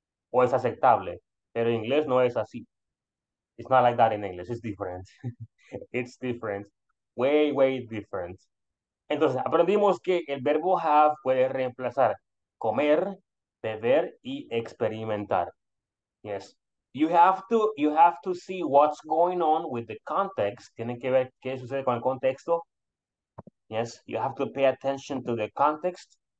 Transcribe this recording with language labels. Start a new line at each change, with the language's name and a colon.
Spanish: O es aceptable. Pero en inglés no es así.
English: It's not like that in English. It's different. It's different. Way, way different.
Spanish: Entonces, aprendimos que el verbo have puede reemplazar comer, beber y experimentar.
English: Yes. You have to see what's going on with the context.
Spanish: Tienen que ver qué sucede con el contexto.
English: Yes. You have to pay attention to the context.